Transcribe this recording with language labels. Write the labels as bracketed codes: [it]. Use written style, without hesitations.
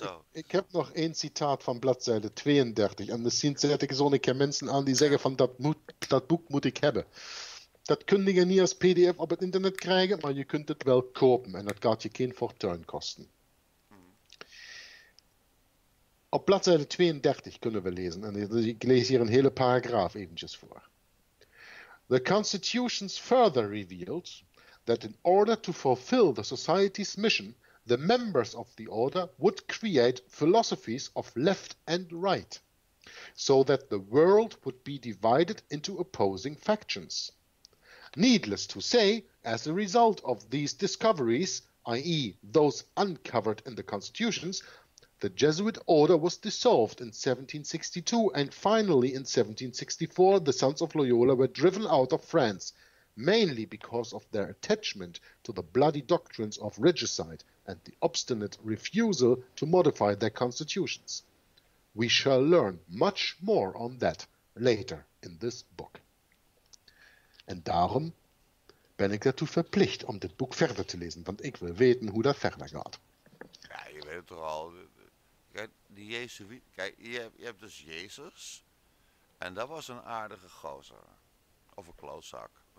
[nl] Ik heb nog één citaat van bladzijde 32. En misschien zet ik zo'n keer mensen aan die zeggen van dat boek moet ik hebben. Dat kun je niet als pdf op het internet krijgen, maar je kunt het wel kopen. En dat gaat je geen fortuin kosten. Op bladzijde 32 kunnen we lezen. En ik lees hier een hele paragraaf eventjes voor. [en] The constitutions further revealed that in order to fulfill the society's mission, the members of the order would create philosophies of left and right, so that the world would be divided into opposing factions. Needless to say, as a result of these discoveries, i.e. those uncovered in the constitutions, the Jesuit order was dissolved in 1762, and finally in 1764 the sons of Loyola were driven out of France, mainly because of their attachment to the bloody doctrines of regicide, and the obstinate refusal to modify their constitutions. We shall learn much more on that later in this book. [nl] En daarom ben ik daartoe verplicht om dit boek verder te lezen, want ik wil weten hoe dat verder gaat. Ja, je weet het toch al. Kijk, die Jezuïet, kijk, je hebt dus Jezus, en dat was een aardige gozer, of een klootzak.